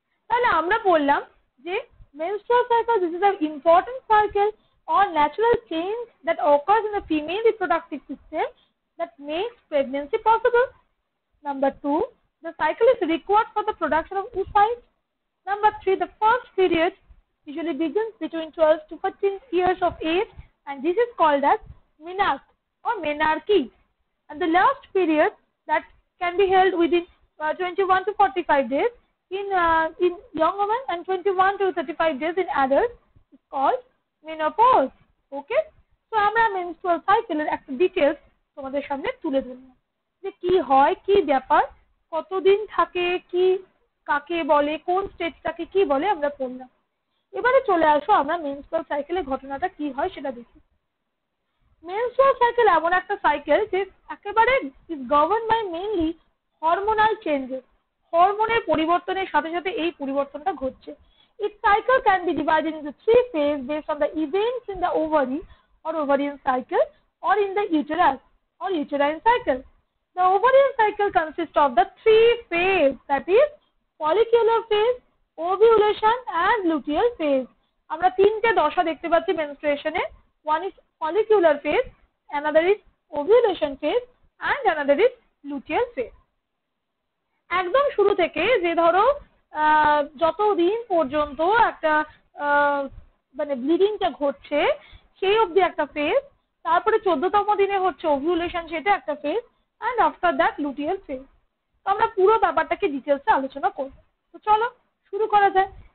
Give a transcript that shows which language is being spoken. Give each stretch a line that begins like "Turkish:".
Bangla: তাহলে আমরা বললাম যে
English: Menstrual cycle this is a important cycle or natural change that occurs in the female reproductive system that makes pregnancy possible. Number two, the cycle is required for the production of oocyte. Number three, the first period usually begins between 12 to 14 years of age and this is called as menarche or menarche. And the last period that can be held within 21 to 45 days in young women and 21 to 35 days in adults is called menopause. Okay?
Bangla: So, আমরা menstrual cycle এর একটা details তোমাদের সামনে তুলে ধরলাম যে কি হয়, কি ব্যাপার, কতদিন থাকে, কি কাকে বলে, কোন স্টেজটাকে কি বলে আমরা পড়লাম। এবারে চলে আসো আমরা menstrual cycle এর ঘটনাটা কি হয় সেটা দেখি। মেনস্ট্রুয়াল সাইকেল এমন একটা সাইকেল যে একেবারে
English: is govern by mainly hormonal changes,
Bangla: হরমোনের পরিবর্তনের সাথে সাথে এই পরিবর্তনটা ঘটছে।
English: It cycle can be divided into three phase based on the events in the ovary or ovarian cycle or in the uterus or uterine cycle. The ovarian cycle consist of the three phase, that is follicular phase, ovulation and luteal phase.
Bangla: আমরা তিনটে দশা দেখতে পাচ্ছি মেনস্ট্রুয়েশনে,
English: One is follicular phase, another is ovulation phase, and another is luteal phase.
Bangla: একদম শুরু থেকে যে ধরো যত দিন পর্যন্ত একটা মানে ব্লিডিংটা ঘটছে সেই অবধি একটা ফেজ, তারপরে 14তম দিনে হচ্ছে ওভিউলেশন, সেটা একটা phase,
English: And after that luteal phase.
Bangla: তো আমরা পুরো ব্যাপারটাকে ডিটেলসে আলোচনা করব, তো চলো শুরু করা যায়।